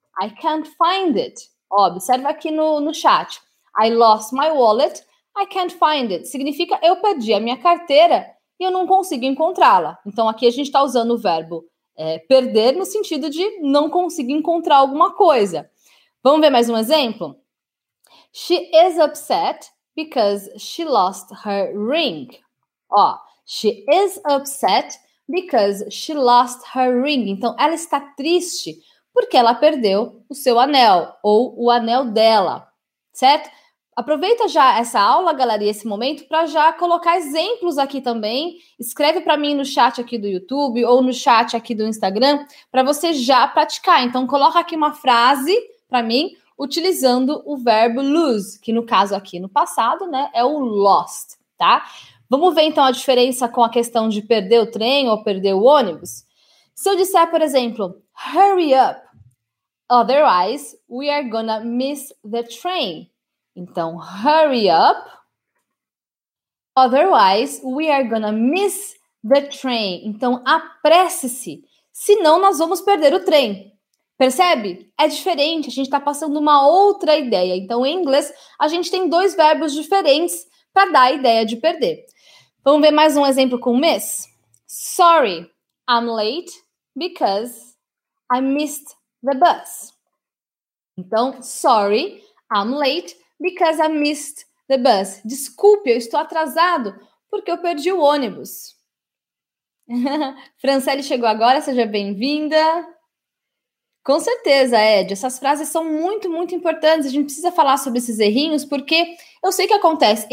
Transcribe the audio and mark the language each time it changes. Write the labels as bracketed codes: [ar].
[en] I can't find it. [pt] Ó, observa aqui no chat. [en] I lost my wallet. I can't find it. [pt] Significa eu perdi a minha carteira e eu não consigo encontrá-la. Então, aqui a gente está usando o verbo perder no sentido de não conseguir encontrar alguma coisa. Vamos ver mais um exemplo? [en] She is upset because she lost her ring. Ó, she is upset because she lost her ring. [pt] Então, ela está triste porque ela perdeu o seu anel ou o anel dela, certo? Aproveita já essa aula, galera, e esse momento para já colocar exemplos aqui também. Escreve para mim no chat aqui do YouTube ou no chat aqui do Instagram para você já praticar. Então, coloca aqui uma frase para mim utilizando o verbo lose, que no caso aqui no passado, né, é o lost, tá? Vamos ver então a diferença com a questão de perder o trem ou perder o ônibus? Se eu disser, por exemplo, [en] hurry up, otherwise we are gonna miss the train. Então, hurry up, otherwise we are gonna miss the train. [pt] Então, apresse-se, senão nós vamos perder o trem. Percebe? É diferente, a gente está passando uma outra ideia. Então, em inglês, a gente tem dois verbos diferentes para dar a ideia de perder. Vamos ver mais um exemplo com miss? [en] Sorry, I'm late because I missed the bus. Então, sorry, I'm late because I missed the bus. [pt] Desculpe, eu estou atrasado porque eu perdi o ônibus. Franciele chegou agora, seja bem-vinda. Com certeza, Ed, essas frases são muito, muito importantes. A gente precisa falar sobre esses errinhos, porque eu sei o que acontece.